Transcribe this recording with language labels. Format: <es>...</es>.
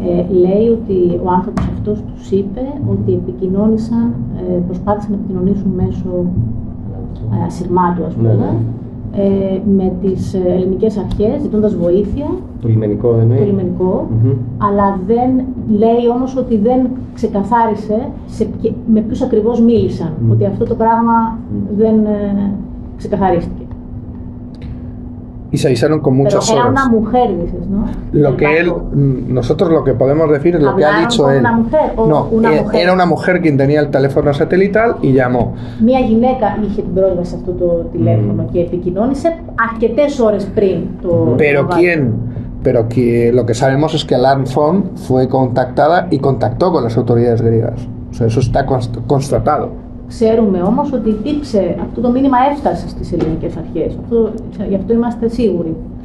<el>Λέει ότι ο άνθρωπος αυτός τους είπε ότι επικοινώνησαν, προσπάθησαν να επικοινωνήσουν μέσω ασυρμάτου, ας πούμε, με τις ελληνικές αρχές, ζητώντας βοήθεια. Το λιμενικό, δεν είναι. Το λιμενικό. Mm-hmm. Αλλά δεν λέει όμως ότι δεν ξεκαθάρισε με ποιους ακριβώς μίλησαν. Mm-hmm. Ότι αυτό το πράγμα δεν ξεκαθαρίστηκε.</el> <es>y se avisaron con muchas horas. Pero era una mujer, dices, ¿no? Lo que él, nosotros lo que podemos decir es lo que ha dicho él. ¿Una mujer o no, una mujer? No, era una mujer quien tenía el teléfono satelital y llamó.</es> <el>Μια γυναίκα είχε πρόσβαση αυτό το τηλέφωνο και επικοινώνησε αρκετές ώρες πριν το.</el> <es>Pero quién. Pero que lo que sabemos es que Alarm Phone fue contactada y contactó con las autoridades griegas. O sea, eso está constatado.</es> <el>Ξέρουμε όμως ότι υπήρξε, αυτό το μήνυμα έφτασε στις ελληνικές αρχές. Αυτό, γι' αυτό είμαστε σίγουροι.</el>